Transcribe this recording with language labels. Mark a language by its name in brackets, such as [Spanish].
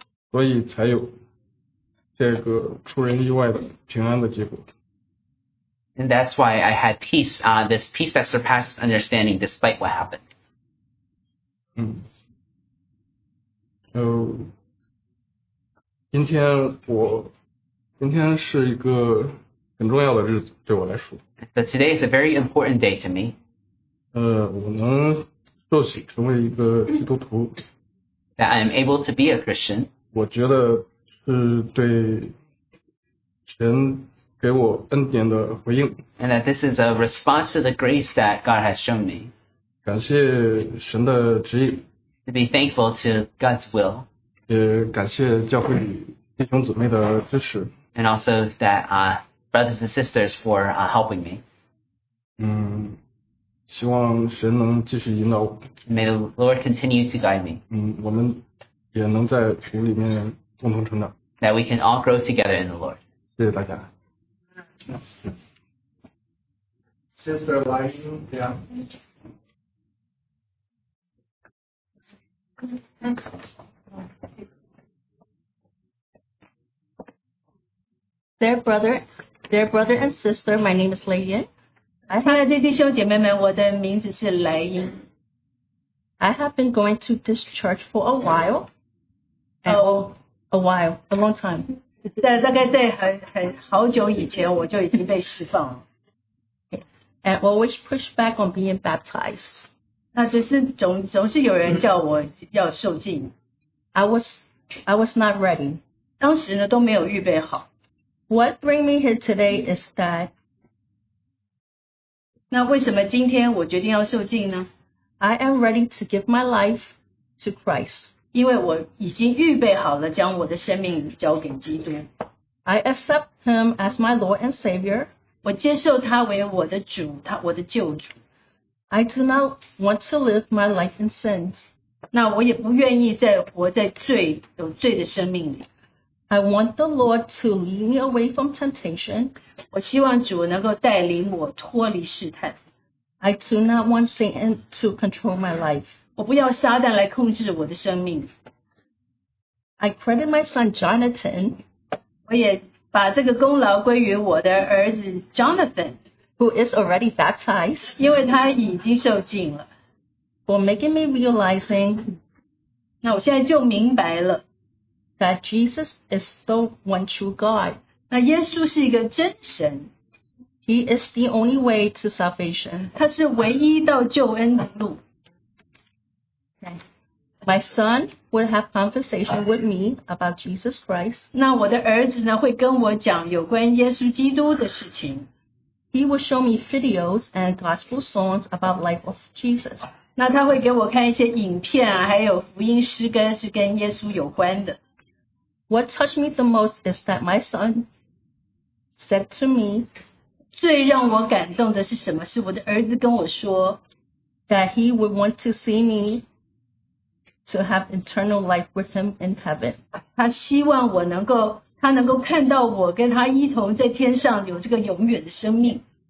[Chinese] 所以才有这个出人意外的平安的结果。 [English] And that's why I had peace, this peace that surpasses understanding despite what happened. [Chinese] 今天是一个很重要的日子对我来说。 [English] So today is a very important day to me. [Chinese] 我能受洗成为一个基督徒。 [English] That I am able to be a Christian. [Chinese] 我觉得是对神给我恩典的回应。 [English] And that this is a response to the grace that God has shown me. [Chinese] 感谢神的旨意。 [English] To be thankful to God's will. [Chinese] 也感谢教会弟兄姊妹的支持。 [English] And also that brothers and sisters for helping me. [Chinese] 希望神能继续引导我。 [English] May the Lord continue to guide me. [Chinese] 我们也能在主里面共同成长。 [English] That we can all grow together in the Lord. [Chinese] 谢谢大家。 [English] Sister Lai-Yin, Their brother and sister, my name is Lai-Yin. [Chinese] 亲爱的弟兄姐妹们，我的名字是Lai-Yin。 [English] I have been going to this church for a while. A while, a long time. [Chinese] 在大概在很好久以前，我就已经被释放了。 [English] I always push back on being baptized. [Chinese] 那只是总是有人叫我要受浸。 [English] I was not ready. [Chinese] 当时呢都没有预备好。 [English] What bring me here today is that. [Chinese] 那为什么今天我决定要受浸呢 [English] ？I am ready to give my life to Christ. [Chinese] 因为我已经预备好了将我的生命交给基督。 [English] I accept him as my Lord and Savior. [Chinese] 我接受他为我的主，他我的救主。 [English] I do not want to live my life in sins. [Chinese] 那我也不愿意再活在罪，有罪的生命里。 [English] I want the Lord to lead me away from temptation. [Chinese] 我希望主能够带领我脱离试探。 [English] I do not want Satan to control my life. [Chinese] 我不要撒旦来控制我的生命。 [English] I credit my son Jonathan. [Chinese] 我也把这个功劳归于我的儿子 Jonathan, [English] who is already baptized. [Chinese] 因为他已经受浸了。 [English] For making me realizing, [Chinese] 那我现在就明白了。 [English] That Jesus is the one true God. [Chinese] 那耶稣是一个真神。 [English] He is the only way to salvation. [Chinese] 他是唯一到救恩的路。 [English] My son would have conversation with me about Jesus Christ. [Chinese] 那我的儿子呢会跟我讲有关耶稣基督的事情。 [English] He would show me videos and gospel songs about life of Jesus. [Chinese] 那他会给我看一些影片啊，还有福音诗歌是跟耶稣有关的。 [English] What touched me the most is that my son said to me, [Chinese] 最让我感动的是什么？是我的儿子跟我说 [English] that he would want to see me. to have eternal life with him in heaven. [Chinese] 他希望我能够，他能够看到我跟他一同在天上有这个永远的生命。